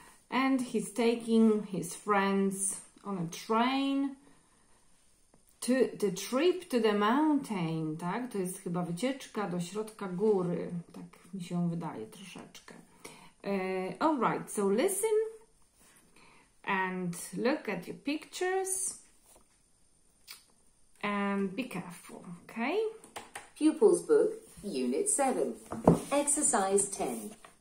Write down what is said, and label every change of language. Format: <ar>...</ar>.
<en>And he's taking his friends on a train. To the trip to the mountain,</en> <pl>tak? To jest chyba wycieczka do środka góry. Tak mi się wydaje troszeczkę.</pl> <en>All right, so listen and look at your pictures and be careful, okay? Pupils book, unit 7, exercise 10.</en>